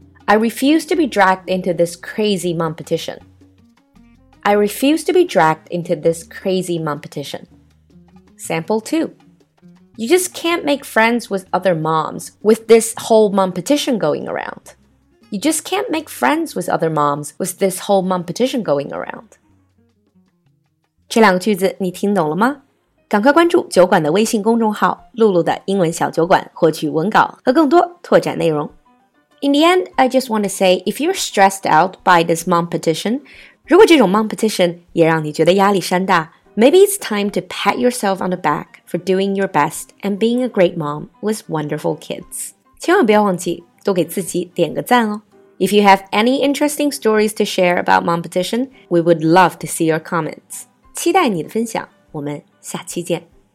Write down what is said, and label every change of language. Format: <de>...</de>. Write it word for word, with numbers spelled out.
<en>I refuse to be dragged into this crazy mumpetition. I refuse to be dragged into this crazy mumpetition. Sample two. You just can't make friends with other moms with this whole mumpetition going around. You just can't make friends with other moms with this whole mumpetition going around.</en> <zh>这两个句子你听懂了吗？赶快关注酒馆的微信公众号“露露的英文小酒馆”，获取文稿和更多拓展内容。</zh> <en>In the end, I just want to say, if you're stressed out by this mumpetition,</en> <zh>如果这种 mumpetition 也让你觉得压力山大</zh> <en>maybe it's time to pat yourself on the back for doing your best and being a great mom with wonderful kids.</en> <zh>千万不要忘记多给自己点个赞哦。</zh> <en>If you have any interesting stories to share about mumpetition, we would love to see your comments.</en> <zh>期待你的分享，我们下期见。</zh>